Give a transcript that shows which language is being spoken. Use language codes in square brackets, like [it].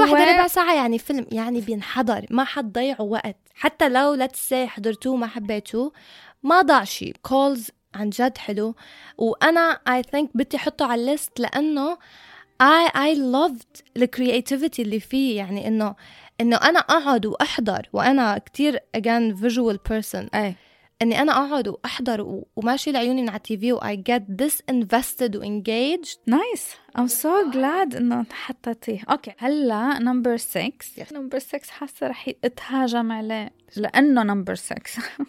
[ar] واحدة ربع ساعة يعني فيلم يعني بينحضر ما حد ضيع وقت حتى لو لا تسي حضرتوه ما حبيتوه ما ضاع شيء calls عن جد حلو وأنا I think بدي حطه على الليست لأنه [en] I loved the creativity [ar] اللي فيه يعني إنه أنا أقعد وأحضر وأنا كتير [en] again visual person [ar] أي. إني أنا أقعد وأحضر وماشي لعيوني على TV و [en] I get this invested and engaged. Nice. I'm so glad [ar] إنه حطيتيه. أوكي. هلا number 6. [en] Yes. [ar] Number 6 حاسة رح يتهاجم عليه. لأنه number 6.